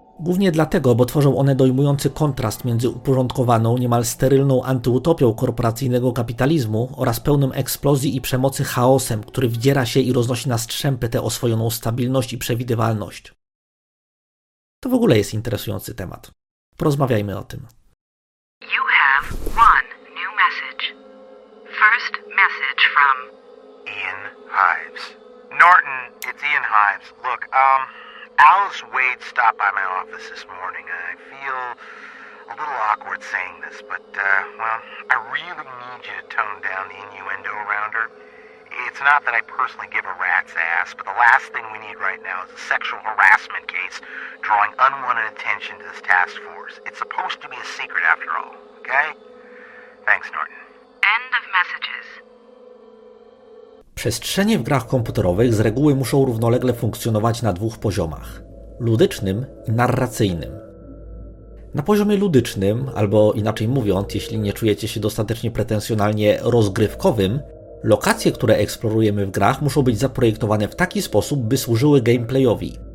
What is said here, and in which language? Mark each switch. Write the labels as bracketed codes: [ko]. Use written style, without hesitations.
[pl] Głównie dlatego, bo tworzą one dojmujący kontrast między uporządkowaną, niemal sterylną antyutopią korporacyjnego kapitalizmu oraz pełnym eksplozji i przemocy chaosem, który wdziera się i roznosi na strzępy tę oswojoną stabilność i przewidywalność. To w ogóle jest interesujący temat. Porozmawiajmy o tym. [en] You have one new message. First message from Ian Hives. Norton, it's Ian Hives. Look, Alice Wade stopped by my office this morning. I feel a little awkward saying this, but, I really need you to tone down the innuendo around her. It's not that I personally give a rat's ass, but the last thing we need right now is a sexual harassment case drawing unwanted attention to this task force. It's supposed to be a secret after all. Okay? Thanks, Norton. End of messages. [pl] Przestrzenie w grach komputerowych z reguły muszą równolegle funkcjonować na dwóch poziomach: ludycznym i narracyjnym. Na poziomie ludycznym, albo inaczej mówiąc, jeśli nie czujecie się dostatecznie pretensjonalnie rozgrywkowym, lokacje, które eksplorujemy w grach, muszą być zaprojektowane w taki sposób, by służyły gameplayowi.